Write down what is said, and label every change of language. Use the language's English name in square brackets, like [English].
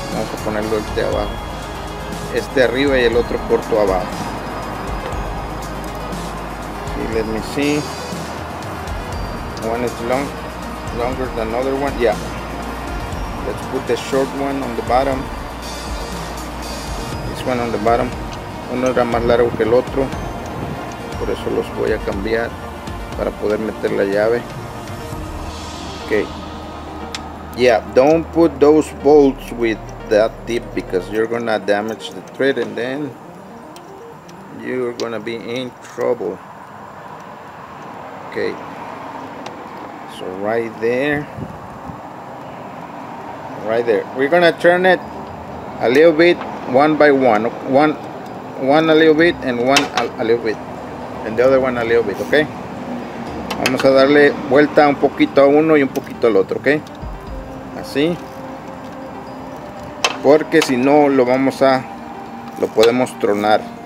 [Spanish] Vamos a ponerlo este abajo. Este arriba y el otro corto abajo. [English] Sí, let me see. One is longer than another one. Yeah. Let's put the short one on the bottom. This one on the bottom. [Spanish] Uno era más largo que el otro, por eso los voy a cambiar para poder meter la llave. [English] Okay. Yeah, don't put those bolts with that tip, because you're gonna damage the thread, and then you're gonna be in trouble. Okay. So right there. We're gonna turn it a little bit, one by one. One a little bit, and one a little bit, and the other one a little bit. [Spanish] Okay, vamos a darle vuelta un poquito a uno y un poquito al otro. Okay, así, porque si no lo podemos tronar.